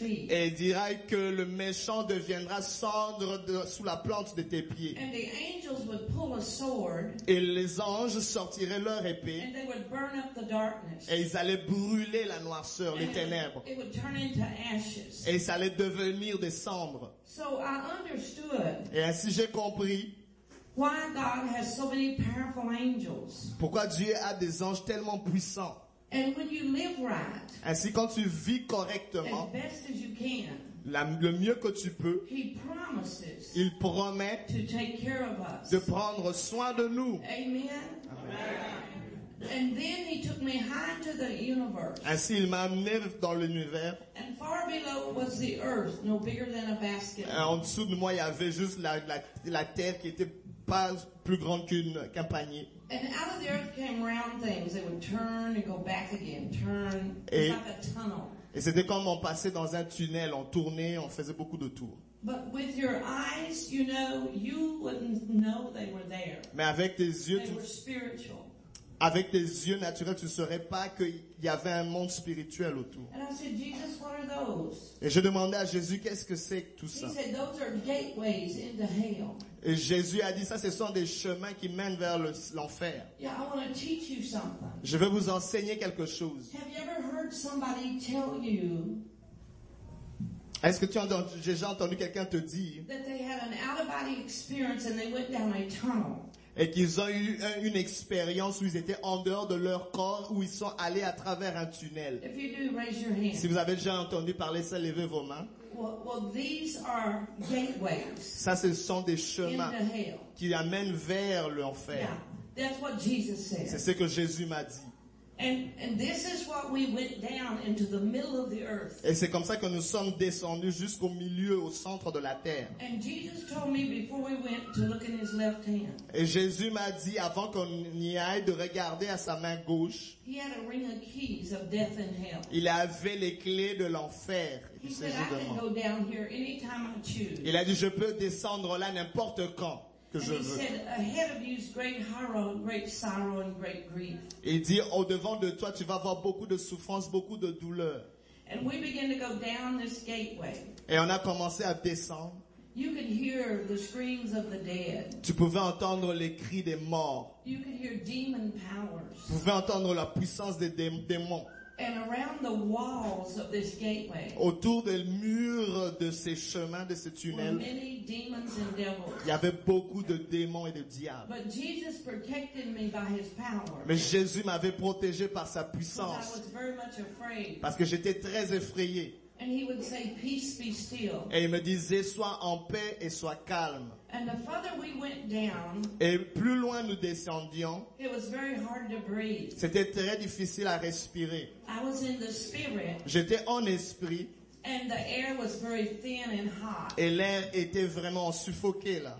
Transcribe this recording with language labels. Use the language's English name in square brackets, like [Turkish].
[French] Et il dira que le méchant deviendra cendre sous la plante de tes pieds. [English] And the angels would pull a sword, [French] et les anges sortiraient leur épée. [English] And they would burn up the darkness. [French] Et ils allaient brûler la noirceur, les ténèbres. [English] It would turn into ashes. [French] Et ça allait devenir des cendres. [English] So I understood. [French] Et ainsi j'ai compris. [English] Why God has so many powerful angels. [French] Pourquoi Dieu a des anges tellement puissants. [English] And when you live right, [French] ainsi quand tu vis correctement, [English] as best as you can, [French] le mieux que tu peux, [English] he promises, [French] il promet [English] to take care of us. [French] De prendre soin de nous. [English] Amen. [French] Amen. [English] And then he took me high to the universe. [French] Ainsi il m'a amené dans l'univers. [English] And far below was the earth, no bigger than a basketball. [French] Et en dessous de moi il y avait juste la terre qui était pas plus grande qu'un panier. [English] And out of the earth came round things. They would turn and go back again. Turn. It was like a tunnel. [French] Et c'était comme on passait dans un tunnel. On tournait, on faisait beaucoup de tours. [English] But with your eyes, you know, you wouldn't know they were there. [French] Mais avec tes yeux, [English] they were spiritual. [French] Avec tes yeux naturels, tu ne saurais pas qu'il y avait un monde spirituel autour. [English] And I said, Jesus, what are those? [French] Et je demandais à Jésus, qu'est-ce que c'est que tout ça? [English] He said, those are gateways into hell. [French] Et Jésus a dit, ça, ce sont des chemins qui mènent vers l'enfer. [English] Yeah, I want to teach you something. [French] Je veux vous enseigner quelque chose. [English] Have you ever heard somebody tell you? [French] Est-ce que tu as déjà entendu quelqu'un te dire [English] that they had an out-of-body experience and they went down a tunnel? [French] Et qu'ils ont eu une expérience où ils étaient en dehors de leur corps, où ils sont allés à travers un tunnel. [English] If you do, raise your hand. [French] Si vous avez déjà entendu parler, ça, levez vos mains. [English] Well, these are gateways. [French] Ça, ce sont des chemins [English] into hell. [French] Qui amènent vers l'enfer. [English] Yeah, that's what Jesus said. [French] C'est ce que Jésus m'a dit. [English] And this is what we went down into the middle of the earth. [French] Et c'est comme ça que nous sommes descendus jusqu'au milieu, au centre de la terre. [English] And Jesus told me before we went to look in his left hand. [French] Et Jésus m'a dit avant qu'on y aille de regarder à sa main gauche. [English] He had a ring of keys of death and hell. [French] Il avait les clés de l'enfer. [English] He said, I can go down here anytime I choose. [French] Il a dit je peux descendre là n'importe quand. [English] And he said, ahead of you is great horror, great sorrow, and great grief. [French] Il dit, au devant de toi, tu vas avoir beaucoup de souffrance, beaucoup de douleur. [English] And we began to go down this gateway. [French] Et on a commencé à descendre. [English] You could hear the screams of the dead. [French] Tu pouvais entendre les cris des morts. [English] You could hear demon powers. [French] Tu pouvais entendre la puissance des démons. [English] And around the walls of this gateway, [French] autour des murs de ces chemins, de ces tunnels, [English] many demons and devils. [French] Il y avait beaucoup de démons et de diables. [English] But Jesus protected me by his power. [French] Mais Jésus m'avait protégé par sa puissance. [English] I was very much afraid. [French] Parce que j'étais très effrayé. [English] And he would say, "Peace, be still." [French] Et il me disait, sois en paix et sois calme. [English] And the further we went down, [French] et plus loin nous descendions, [English] it was very hard to breathe. [French] C'était très difficile à respirer. [English] I was in the spirit, [French] j'étais en esprit. [English] And the air was very thin and hot. [French] Et l'air était vraiment suffoqué là.